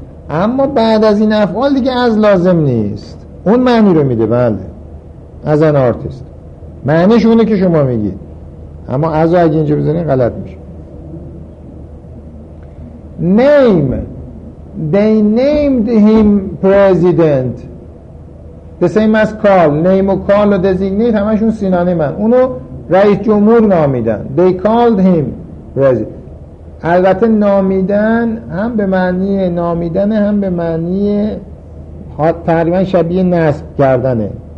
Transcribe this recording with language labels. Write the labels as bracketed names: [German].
[Persian] اما بعد از این افعال دیگه از لازم نیست، اون معنی رو میده. بله [English] as an artist [Persian] معنیش اونه که شما میگید، اما از رو اگه اینجا بذارین غلط میشه. [English] name، they named him president، the same as call. [Persian] name و call و designate همشون سینانیمن، اونو رئیس جمهور نامیدن. [English] they called him president. [Persian] البته نامیدن هم به معنی نامیدنه، هم به معنی تقریبا شبیه نصب کردنه.